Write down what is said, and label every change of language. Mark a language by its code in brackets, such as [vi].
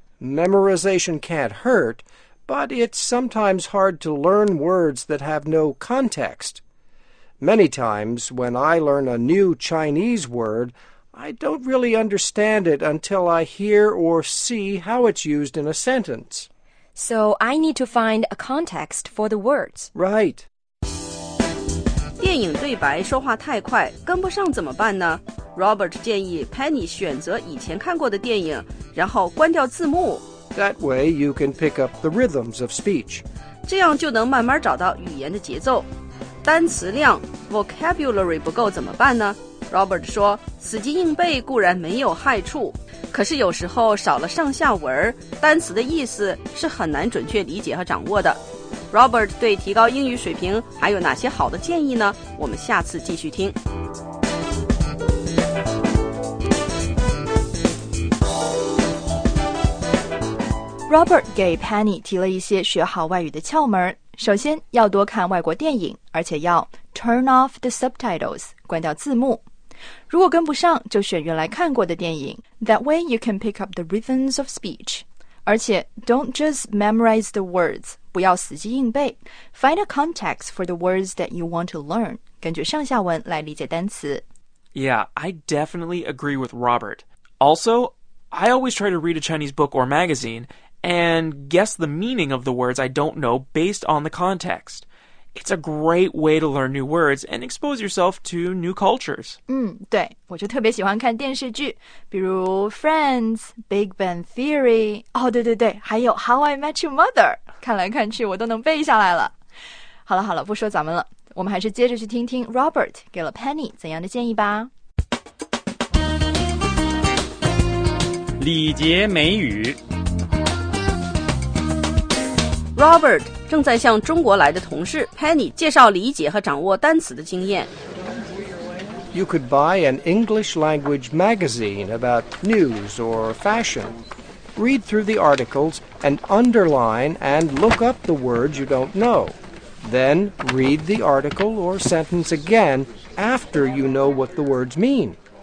[en] Memorization can't hurt, but it's sometimes hard to learn words that have no context. Many times, when I learn a new Chinese word, I don't really understand it until I hear or see how it's used in a sentence. So I need to find a context for the words. Right. [zh] 电影对白说话太快，跟不上怎么办呢？Robert 建议 Penny 选择以前看过的电影，然后关掉字幕。 [en] That way you can pick up the rhythms of speech. [zh] 这样就能慢慢找到语言的节奏。单词量 vocabulary 不够怎么办呢？ Robert 说，死记硬背固然没有害处，可是有时候少了上下文，单词的意思是很难准确理解和掌握的。 Robert 对提高英语水平还有哪些好的建议呢？我们下次继续听。 Robert 给 Penny 提了一些学好外语的窍门。首先，要多看外国电影，而且要 [en] turn off the subtitles, [zh] 关掉字幕。如果跟不上，就选原来看过的电影。 [en] That way you can pick up the rhythms of speech. 而且 don't just memorize the words, [zh] 不要死记硬背。 [en] Find a context for the words that you want to learn, [zh] 根据上下文来理解单词。 [en] Yeah, I definitely agree with Robert. Also, I always try to read a Chinese book or magazine,and guess the meaning of the words I don't know based on the context. It's a great way to learn new words and expose yourself to new cultures. [zh] 对，我就特别喜欢看电视剧，比如 Friends, Big Bang Theory, 哦，对对对，还有 How I Met Your Mother, 看来看去我都能背下来了。好了好了，不说咱们了，我们还是接着去听听 Robert 给了 Penny 怎样的建议吧。礼节美语 Robert 正在向中国来的同事 Penny 介绍理解和掌握单词的经验。 [en] You could buy an English language magazine about news or fashion. Read through the articles and underline and look up the words you don't know. Then read the article or sentence again after you know what the words mean.